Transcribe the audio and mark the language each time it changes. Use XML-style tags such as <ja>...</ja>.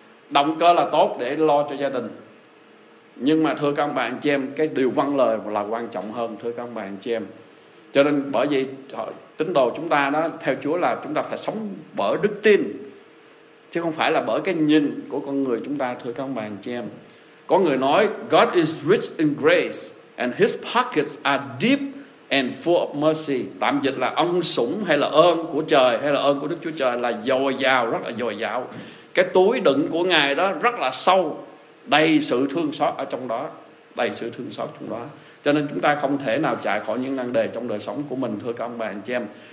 <vi>Động cơ là tốt để lo cho gia đình. Nhưng mà thưa các bạn chị em, cái điều vâng lời là quan trọng hơn, thưa các bạn chị em. Cho nên bởi vì tín đồ chúng ta đó, theo Chúa là chúng ta phải sống bởi đức tin, chứ không phải là bởi cái nhìn của con người chúng ta, thưa các bạn chị em. Có người nói,</vi> <en>God is rich in grace and his pockets are deep and full of mercy.</en> <vi>Tạm dịch là ân sủng hay là ơn của trời hay là ơn của Đức Chúa Trời là dồi dào, rất là dồi dào. Cái túi đựng của Ngài đó rất là sâu, đầy sự thương xót ở trong đó, đầy sự thương xót trong đó. Cho nên chúng ta không thể nào chạy khỏi những nan đề trong đời sống của mình, thưa các ông bà anh chị em.</vi>